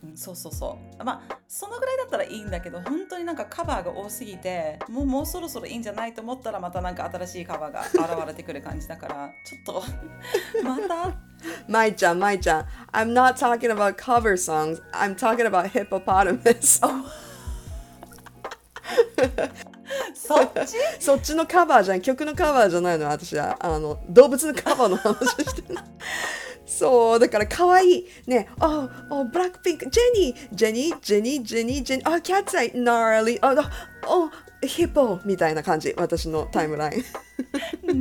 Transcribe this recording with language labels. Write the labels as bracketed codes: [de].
[ja] うん、そうそうそうまあそのぐらいだったらいいんだけど本当になんかカバーが多すぎてもうそろそろいいんじゃないと思ったらまたなんか新しいカバーが現れてくる感じだからちょっとまた [en] まいちゃんまいちゃん I'm not talking about cover songs I'm talking about hippopotamus [ja] そっち？そっちのカバーじゃん曲のカバーじゃないの私はあの動物のカバーの話してるそうだから可愛いね。あ、あ、ブラックピンク、ジェニー、ジェニー、ジェニー、ジェニー、ジェニー、あ、キャッツアイ、ナーリー、あ、あ、ヒッポーみたいな感じ、私のタイムライン。